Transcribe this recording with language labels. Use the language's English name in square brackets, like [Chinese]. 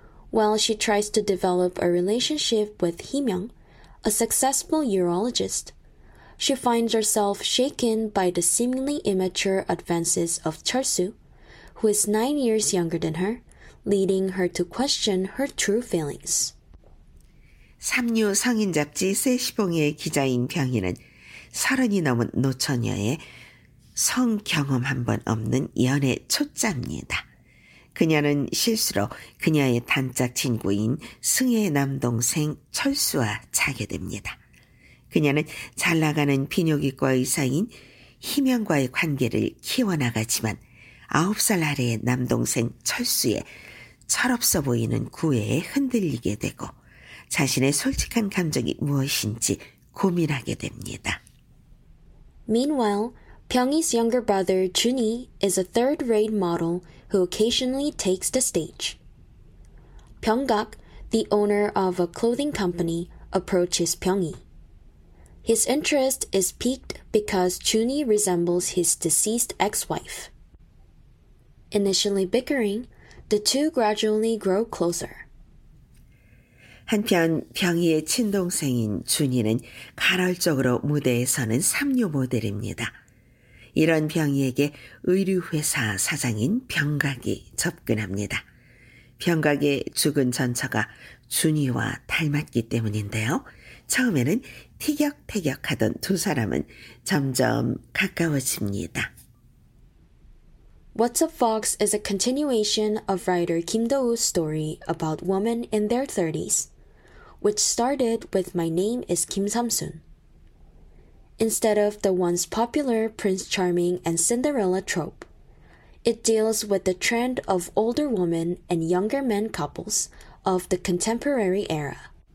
[English] While she tries to develop a relationship with Hee-myung, a successful urologist, she finds herself shaken by the seemingly immature advances of Chul-soo, who is 9 years younger than her, leading her to question her true feelings. [Korean] 삼류 성인 잡지 세시봉의 기자인 병희는 서른이 넘은 노처녀의 성 경험 한번 없는 연애 초짜입니다. 그녀는 실수로 그녀의 단짝 친구인 승혜의 남동생 철수와 자게 됩니다. 그녀는 잘나가는 비뇨기과 의사인 희명과의 관계를 키워나가지만 9살 아래의 남동생 철수의 철없어 보이는 구애에 흔들리게 되고 자신의 솔직한 감정이 무엇인지 고민하게 됩니다. [English] Meanwhile, Pyeonghee's younger brother, Jun-hee, is a third-rate model who occasionally takes the stage. Pyeonggak, the owner of a clothing company, approaches Pyeonghee. His interest is piqued because Jun-hee resembles his deceased ex-wife. Initially bickering, the two gradually grow closer. [Korean] 한편 병희의 친동생인 준희는 간헐적으로 무대에서는 삼류 모델입니다. 이런 병희에게 의류회사 사장인 병각이 접근합니다. 병각의 죽은 전처가 준희와 닮았기 때문인데요. 처음에는 티격태격하던 두 사람은 점점 가까워집니다. [English] What's Up Fox is a continuation of writer Kim Do-woo's story about women in their 30s. Which started with My Name is Kim Sam-sun. Instead of the once popular Prince Charming and Cinderella trope, it deals with the trend of older women and younger men couples of the contemporary era.